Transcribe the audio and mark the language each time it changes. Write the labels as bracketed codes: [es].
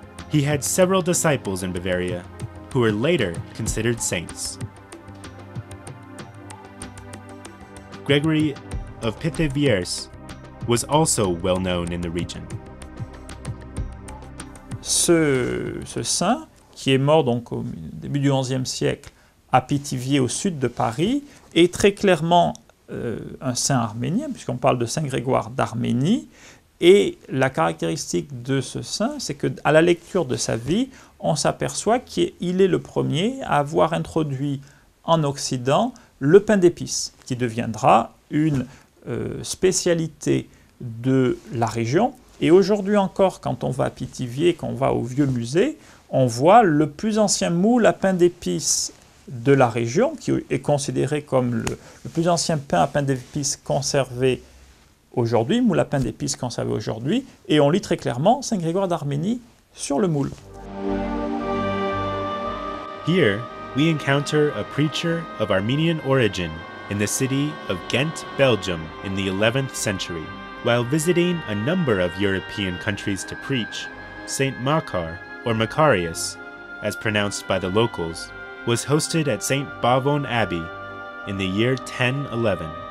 [en] He had several disciples in Bavaria who were later considered saints. Gregory of Pithiviers was also well known in the region. [fr] Ce saint, qui est mort donc au début du XIe siècle à Pithiviers au sud de Paris, est très clairement un saint arménien, puisqu'on parle de Saint Grégoire d'Arménie, Et la caractéristique de ce saint, c'est que à la lecture de sa vie, on s'aperçoit qu'il est le premier à avoir introduit en Occident le pain d'épices, qui deviendra une spécialité de la région. Et aujourd'hui encore, quand on va à Pithiviers, quand on va au vieux musée, on voit le plus ancien moule à pain d'épices de la région, qui est considéré comme le plus ancien pain à pain d'épices conservé aujourd'hui, moule à pain d'épices conservé aujourd'hui, et on lit très clairement Saint Grégoire d'Arménie sur le moule. [en] Here, we encounter a preacher of Armenian origin in the city of Ghent, Belgium, in the 11th century. While visiting a number of European countries to preach, Saint Makar, or Makarius, as pronounced by the locals, was hosted at Saint Bavon Abbey in the year 1011.